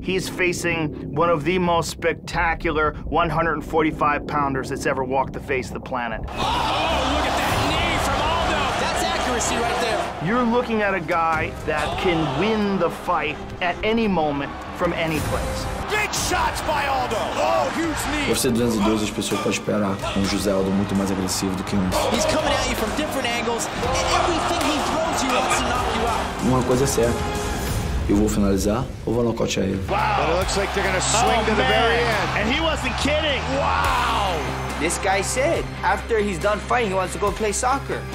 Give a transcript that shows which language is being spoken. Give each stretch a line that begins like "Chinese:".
English: He's facing one of the most spectacular 145 pounders that's ever walked the face of the planet. Oh, look at that knee from Aldo. That's accuracy right there. You're looking at a guy that can win the fight at any moment from any place. Shots by Aldo. Oh, huge knee.
Portuguese: UFC 212, as pessoas podem esperar um Jose Aldo muito mais agressivo do que um.
English: He's coming at you from different angles, and everything he throws you wants to knock you out.
Portuguese: Uma coisa é certa. Eu vou finalizar ou vou nocautear ele.
English: Wow. But it looks like they're gonna swing to the very end. And he wasn't kidding. Wow. This guy said, after he's done fighting, he wants to go play soccer.